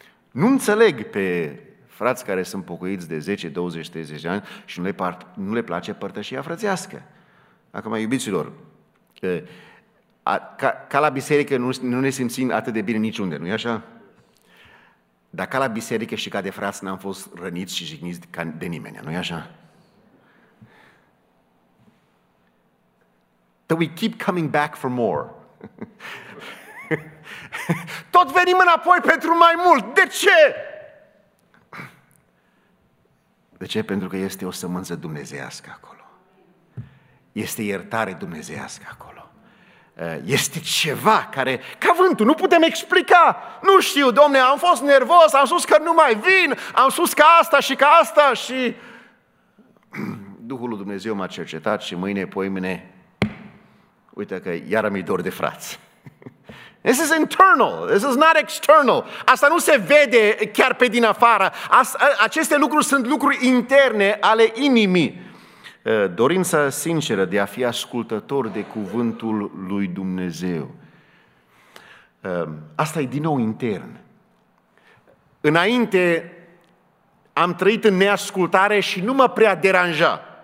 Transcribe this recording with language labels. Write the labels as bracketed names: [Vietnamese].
[Romanian] Nu înțeleg pe frați care sunt pocăiți de 10, 20, 30 de ani și nu le place părtășia frățească. Acum, iubiților, ca la biserică nu ne simțim atât de bine niciunde, nu-i așa? Dar ca la biserică și ca de frați n-am fost răniți și jigniți de nimeni, nu-i așa? [English] That we keep coming back for more. [Romanian] Tot venim înapoi pentru mai mult. De ce? De ce? Pentru că este o sămânță dumnezeiască acolo. Este iertare dumnezeiască acolo. Este ceva care, ca vântul, nu putem explica. Nu știu, Doamne, am fost nervos, am spus că nu mai vin, am spus că asta și că asta și... Duhul lui Dumnezeu m-a cercetat și mâine, poimâine, uite că iară mi-e dor de frați. [English] This is internal, this is not external. [Romanian] Asta nu se vede chiar pe din afară. Aceste lucruri sunt lucruri interne ale inimii. Dorința sinceră de a fi ascultător de cuvântul lui Dumnezeu. Asta e din nou intern. Înainte am trăit în neascultare și nu mă prea deranja.